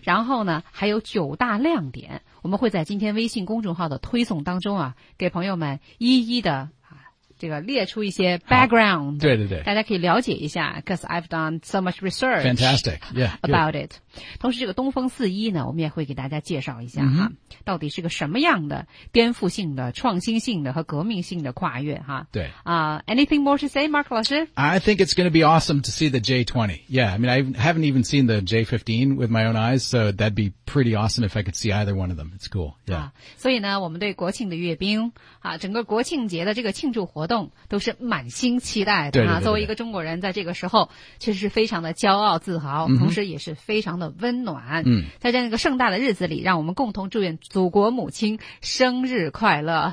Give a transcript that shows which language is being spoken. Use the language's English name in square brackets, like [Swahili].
[Chinese] 然后呢还有九大亮点，我们会在今天微信公众号的推送当中啊给朋友们一一的这个列出一些 background，对对对， [English] 大家可以了解一下，because I've done so much research， fantastic， yeah， about、 good. it。 [Chinese] 同时，这个东风四一呢，我们也会给大家介绍一下哈、 mm-hmm. 啊，到底是个什么样的颠覆性的、创新性的和革命性的跨越哈、啊。对 [English] 啊、anything more to say, Mark 老师？I think it's going to be awesome to see the J20. Yeah, I mean, I haven't even seen the J15 with my own eyes, so that'd be pretty awesome if I could see either one of them. It's cool. Yeah.、 [Chinese] 啊、所以呢，我们对国庆的阅兵啊，整个国庆节的这个庆祝活动。都是满心期待的、啊、对对对对，作为一个中国人在这个时候确实是非常的骄傲自豪、嗯、同时也是非常的温暖、嗯、在这样一个盛大的日子里，让我们共同祝愿祖国母亲生日快乐、